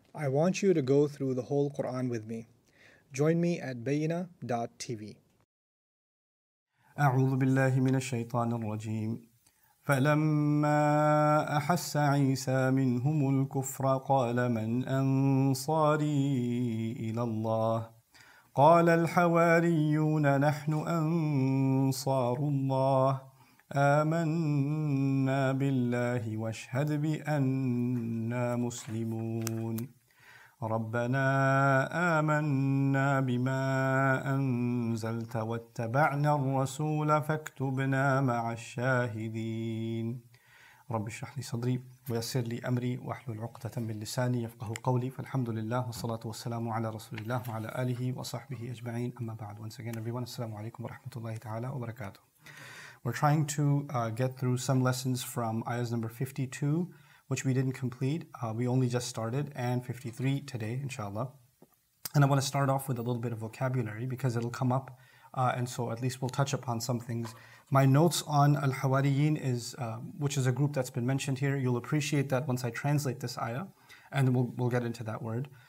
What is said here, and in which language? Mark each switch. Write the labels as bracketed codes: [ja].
[en] I want you to go through the whole Quran with me. Join me at bayina.tv. [ar] أعوذ بالله من الشيطان الرجيم فلما أحس عيسى منهم الكفر قال من أنصاري إلى الله قال الحواريون نحن أنصار الله آمنا بالله واشهد بأننا مسلمون ربنا آمنا بما أنزلت واتبعنا الرسول فاكتبنا مع الشاهدين رب اشرح لي صدري ويسر لي أمري واحلل عقدة من لساني يفقه قولي فالحمد لله والصلاة والسلام على رسول الله وعلى آله وصحبه أجمعين أما بعد [en] Once again everyone, [ar] السلام عليكم ورحمة الله تعالى وبركاته. [en] We're trying to get through some lessons from ayahs number 52 which we didn't complete, we only just started, and 53 today, inshallah. And I want to start off with a little bit of vocabulary, because it'll come up, and so at least we'll touch upon some things. My notes on Al-Hawariyin, which is a group that's been mentioned here, you'll appreciate that once I translate this ayah, and we'll get into that word.